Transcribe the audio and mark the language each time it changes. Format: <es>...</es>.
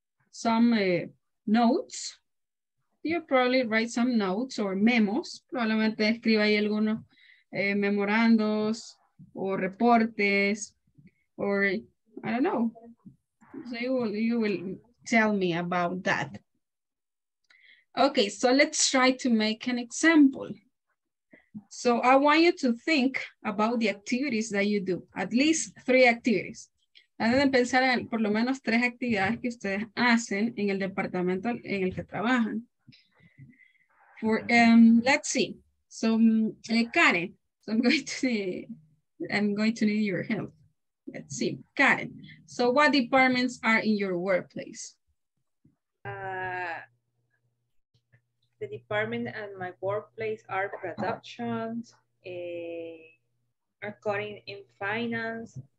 <en>Some notes, you probably write some notes or memos,</en> <es>probablemente escriba ahí algunos memorandos o reportes,</es> <en>or I don't know, so you will tell me about that. Okay, so let's try to make an example. So I want you to think about the activities that you do, at least three activities.</en> <es>Deben de pensar en por lo menos tres actividades que ustedes hacen en el departamento en el que trabajan.</es> <en>For, let's see. So, Karen, so I'm going to need your help. Let's see, Karen. So, what departments are in your workplace? The department at my workplace are productions, according in finance.</en>